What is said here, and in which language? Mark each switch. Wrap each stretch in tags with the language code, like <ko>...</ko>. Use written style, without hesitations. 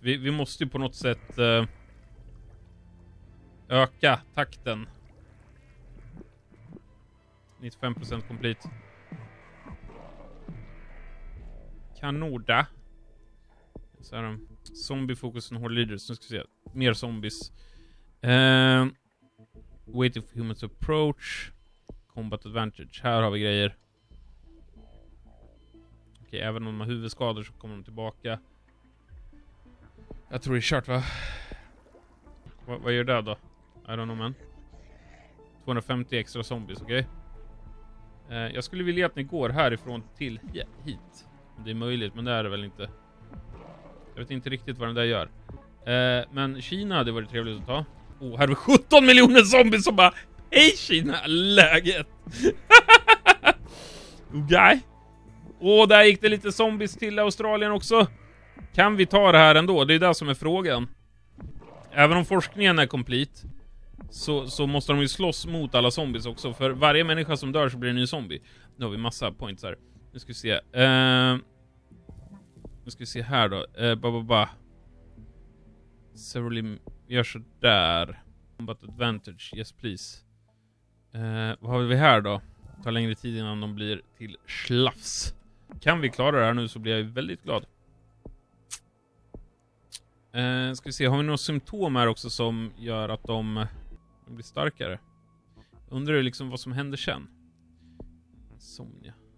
<sv>Vi måste ju på något sätt öka takten. 95% komplett. Kanoda. Så här. Zombiefokus och leaders. Nu ska vi se. Mer zombies.</sv> <en>Waiting for humans approach.</en> <sv>Combat advantage. Här har vi grejer. Okej, även om de har huvudskador så kommer de tillbaka. Jag tror det är kört va? Vad gör det då?</sv> <en>I don't know man.</en> <sv>250 extra zombies, okej? Okay? Jag skulle vilja att ni går härifrån till hit. Det är möjligt, men det är det väl inte. Jag vet inte riktigt vad den där gör. Men Kina, det var det trevligt att ta. Oh, här är vi 17 miljoner zombies som bara... Hej Kina, läget! Okej. Åh, där gick det lite zombies till Australien också. Kan vi ta det här ändå? Det är det som är frågan. Även om forskningen är komplett, så måste de ju slåss mot alla zombies också. För varje människa som dör så blir det en ny zombie. Nu har vi massa points här. Nu ska vi se. Nu ska vi se här då. Severely gör så där.</sv> <en>Combat advantage, yes please.</en> <sv>Vad har vi här då? Ta längre tid innan de blir till slafs. Kan vi klara det här nu så blir jag väldigt glad. Ska vi se, har vi några symptom här också som gör att de blir starkare? Undrar liksom vad som händer sen? Somnia.</sv>